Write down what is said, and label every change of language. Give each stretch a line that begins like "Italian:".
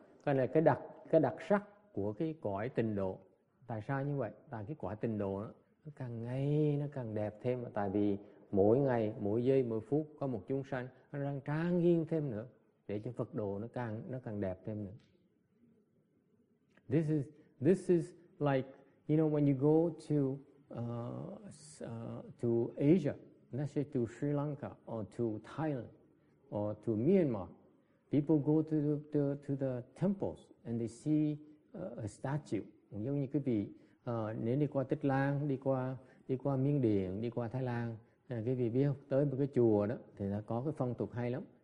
Vietnamese: Cái này cái đặc sắc của cái cõi tịnh độ. Tại sao như vậy? Tại cái cõi tịnh độ nó càng ngày nó càng đẹp thêm, tại vì mỗi ngày, mỗi giây, mỗi phút có một chúng sanh nó đang trang nghiêm thêm nữa, để cho Phật độ nó càng đẹp thêm nữa.
English: This is like, you know, when you go to Asia, let's say to Sri Lanka or to Thailand or to Myanmar, people go to the temples and they see a statue.
Vietnamese: Giống như quý vị nếu đi qua Tích Lan, đi qua Miên Điện, đi qua Thái Lan, quý vị biết không? Tới một cái chùa đó thì nó có cái phong tục hay lắm.